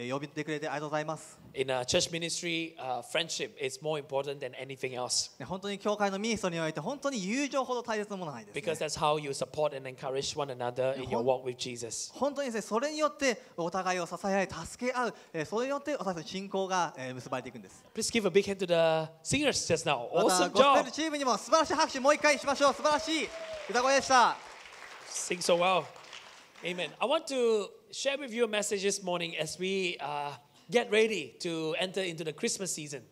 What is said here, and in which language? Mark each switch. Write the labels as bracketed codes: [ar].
[ja] 本当に、友達先生、由美先生に私たちを呼びてくれてありがとうございます。 [en] In a church ministry, friendship is more important than anything else. [ja] 本当に教会のミニストリーにおいて、本当に友情ほど大切なものはないです。 [en] Because that's how you support and encourage one another in your walk with Jesus. [ja] 本当にそれによってお互いを支え合い、助け合う、それによって私たちの信仰が結ばれていくんです。 [en] Please give a big hand to the singers just now. Awesome job! [ja] またゴスペルチームにも素晴らしい拍手もう一回しましょう。素晴らしい歌声でした。 [en] Sing so well. Amen. I want to share with you a message this morning as we get ready to enter into the Christmas season.